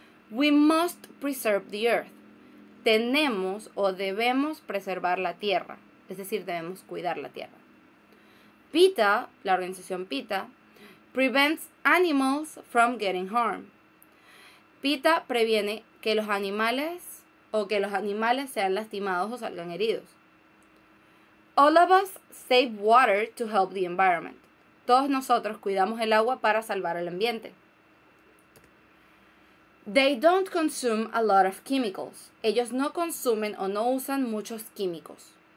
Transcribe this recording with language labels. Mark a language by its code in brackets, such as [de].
[en] We must preserve the earth. [es] Tenemos o debemos preservar la tierra. Es decir, debemos cuidar la tierra. PETA, la organización PETA, [en] prevents animals from getting harmed. [es] PETA previene que los animales o que los animales sean lastimados o salgan heridos. [en] All of us save water to help the environment. [es] Todos nosotros cuidamos el agua para salvar el ambiente. [en] They don't consume a lot of chemicals. [es] Ellos no consumen o no usan muchos químicos.